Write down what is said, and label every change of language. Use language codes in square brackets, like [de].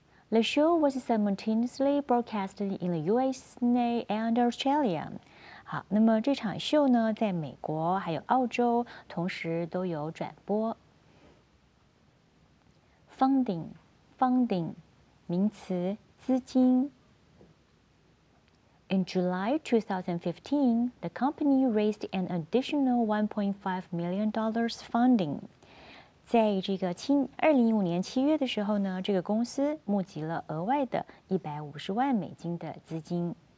[en] The show was simultaneously broadcast in the USA and Australia。 [zh] 好，那么这场秀呢在美国还有澳洲同时都有转播。 Funding， 名词，资金。 [en] In July 2015, the company raised an additional $1.5 million funding. [zh] 在这个2015年七月的时候呢，这个公司募集了额外的$1,500,000的资金。